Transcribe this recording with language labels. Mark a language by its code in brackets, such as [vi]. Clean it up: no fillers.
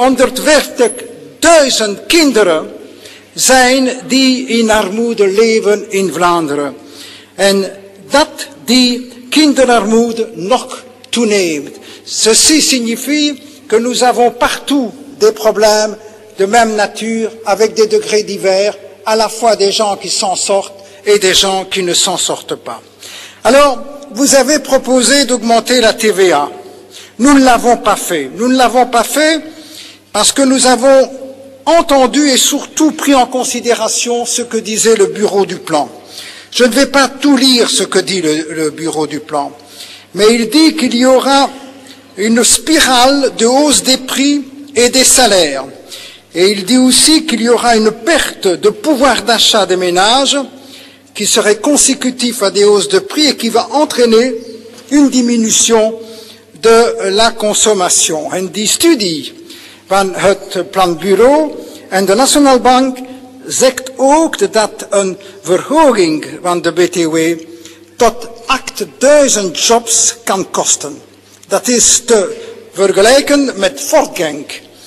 [nl] 140.000 kinderen zijn die in armoede leven in Vlaanderen. En dat die kinderarmoede nog toeneemt. [fr] Ceci signifie que nous avons partout des problèmes de même nature, avec des degrés divers, à la fois des gens qui s'en sortent et des gens qui ne s'en sortent pas. Alors, vous avez proposé d'augmenter la TVA. Nous ne l'avons pas fait. Nous ne l'avons pas fait parce que nous avons entendu et surtout pris en considération ce que disait le bureau du plan. Je ne vais pas tout lire ce que dit le bureau du plan, mais il dit qu'il y aura une spirale de hausse des prix et des salaires. Et il dit aussi qu'il y aura une perte de pouvoir d'achat des ménages qui serait consécutif à des hausses de prix et qui va entraîner une diminution de la consommation. [en] And the study [nl] van het Planbureau en de National Bank zegt ook dat een verhoging van de BTW tot 8000 jobs kan kosten. Dat is te vergelijken met Fort Genk.